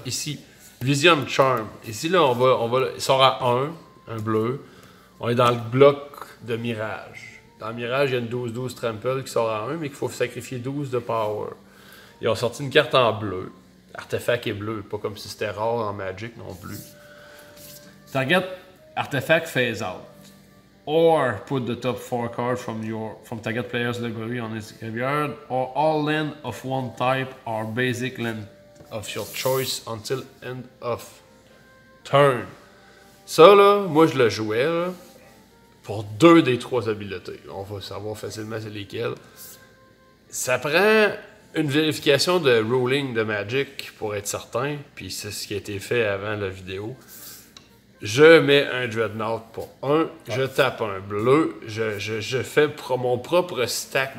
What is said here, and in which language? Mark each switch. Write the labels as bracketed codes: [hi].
[fr] Ici, Vision Charm. Ici, là, on va sort à 1, un bleu. On est dans le bloc de Mirage. Dans Mirage, il y a une 12-12 Trample qui sort à 1, mais qu'il faut sacrifier 12 de Power. Ils ont sorti une carte en bleu. Artefact est bleu, pas comme si c'était rare en Magic non plus. [en] Target Artefact Phase Out. Or put the top 4 cards from target player's library on its graveyard, or all land of one type or basic land of your choice until end of turn. [fr] Ça là, moi je le jouais là, pour deux des trois habiletés. On va savoir facilement c'est lesquelles. Ça prend une vérification de ruling de Magic pour être certain, puis c'est ce qui a été fait avant la vidéo. Je mets un Dreadnought pour 1, je tape un bleu, je fais mon propre stack.